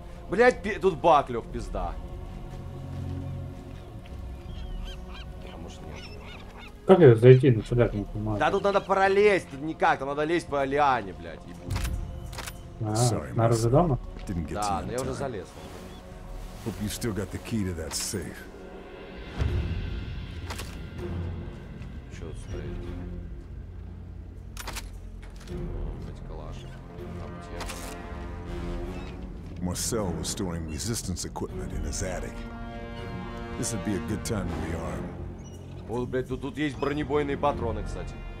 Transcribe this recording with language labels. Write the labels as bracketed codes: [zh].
[ru] Блять, тут баг, Лёх, пизда. А может нет? Как это зайти? Ну сюда не понимаю. Да тут надо пролезть, тут никак, там надо лезть по лиане, блять. Наружу дома? Да, но я уже залез. [en] Hope you still got the key to that safe. [ru] Чё тут стоит? Эти калаши. [en] Аптека. Marcel was storing resistance equipment in his attic. This would be a good time to rearm. [ru] Вот, блядь, тут есть бронебойные патроны, кстати.